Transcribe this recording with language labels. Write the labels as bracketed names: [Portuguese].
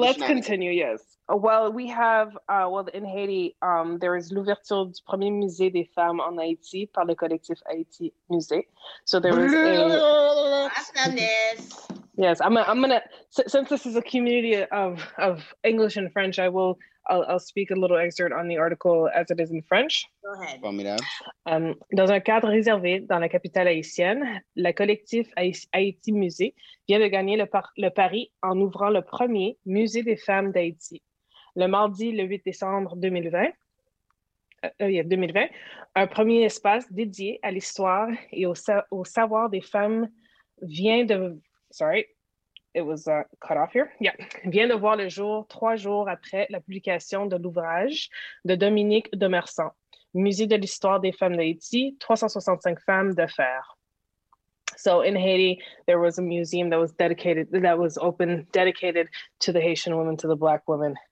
[English] the shenanigans. Let's continue, yes. Well, we have, in Haiti, there is [French] l'ouverture du premier musée des femmes en Haïti par le collectif Haïti Musée. [English] So there is Yes, I'm gonna, since this is a community of English and French, I'll speak a little excerpt on the article as it is in French. Go ahead. [French] Dans un cadre réservé dans la capitale haïtienne, le collectif Haïti Musée vient de gagner le pari en ouvrant le premier musée des femmes d'Haïti. Le mardi, le 8 décembre 2020, un premier espace dédié à l'histoire et au savoir des femmes vient de voir le jour 3 jours après la publication de l'ouvrage de Dominique Demersan, Musée de l'histoire des femmes d'Haïti, 365 femmes de fer. [English] So in Haiti, there was a museum that was dedicated, that was open, dedicated to the Haitian women, to the Black women.